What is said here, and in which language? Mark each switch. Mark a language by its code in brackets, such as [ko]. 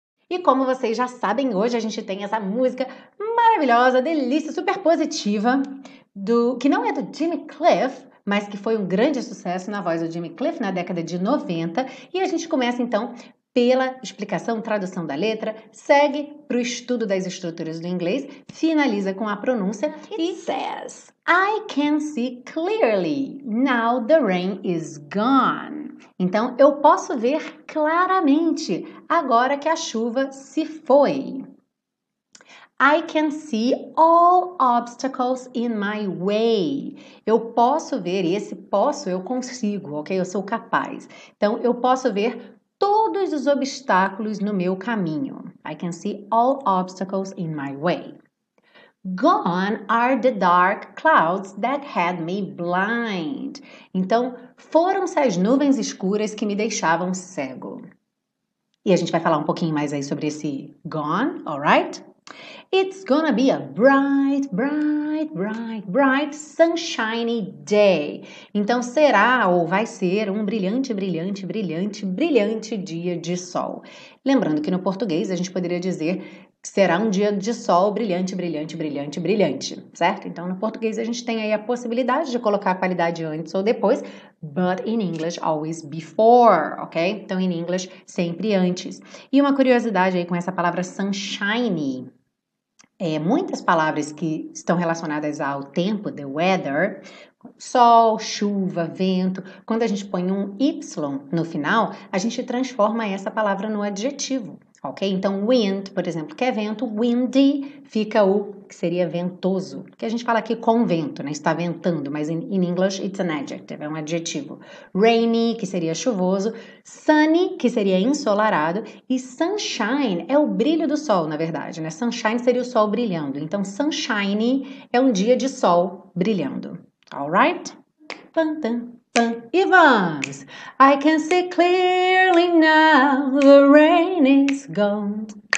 [pt] E como vocês já sabem, hoje a gente tem essa música maravilhosa, delícia, super positiva, que não é do Jimmy Cliff, mas que foi um grande sucesso na voz do Jimmy Cliff na década de 90. E a gente começa então pela explicação, tradução da letra, segue para o estudo das estruturas do inglês, finaliza com a pronúncia e [en] says, I can see clearly, now the rain is gone. [pt] Então, eu posso ver claramente agora que a chuva se foi. [en] I can see all obstacles in my way. [pt] Eu posso ver, esse posso, eu consigo, ok? Eu sou capaz. Então, eu posso ver todos os obstáculos no meu caminho. [en] I can see all obstacles in my way. Gone are the dark clouds that had me blind. [pt] Então, foram-se as nuvens escuras que me deixavam cego. E a gente vai falar um pouquinho mais aí sobre esse gone, alright? [en] It's gonna be a bright, bright, bright, bright, sunshiny day. [pt] Então, será ou vai ser um brilhante, brilhante, brilhante, brilhante dia de sol. Lembrando que no português a gente poderia dizer que será um dia de sol brilhante, brilhante, brilhante, brilhante, certo? Então, no português a gente tem aí a possibilidade de colocar a qualidade antes ou depois, but in English, always before, ok? Então, in English, sempre antes. E uma curiosidade aí com essa palavra sunshiny. Muitas palavras que estão relacionadas ao tempo, the weather, sol, chuva, vento, quando a gente põe um Y no final, a gente transforma essa palavra no adjetivo, ok? Então, wind, por exemplo, que é vento, windy fica o que seria ventoso, que a gente fala aqui com vento, né? Está ventando, mas in English it's an adjective, é um adjetivo. Rainy, que seria chuvoso, sunny, que seria ensolarado, e sunshine é o brilho do sol, na verdade, né? Sunshine seria o sol brilhando. Então, sunshine é um dia de sol brilhando. [en] All right? Pantan. Ivans, I can see clearly now the rain is gone.